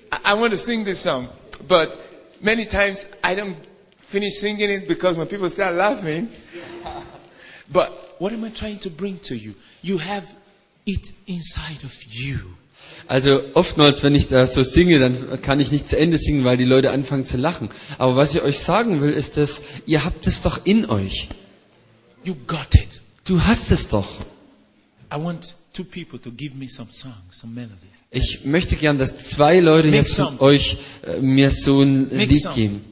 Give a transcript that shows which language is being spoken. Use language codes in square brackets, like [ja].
[en] I want to sing this song, but many times I don't finish singing it because when people start laughing. But what am I trying to bring to you? You have it inside of you. [de] Also oftmals, wenn ich da so singe, dann kann ich nicht zu Ende singen, weil die Leute anfangen zu lachen. Aber was ich euch sagen will, ist, dass ihr habt es doch in euch. [en] You got it. [de] Du hast es doch. [en] I want two people to give me some songs, some melodies. [de] Ich möchte gern, dass zwei Leute jetzt euch mir so ein Lied geben.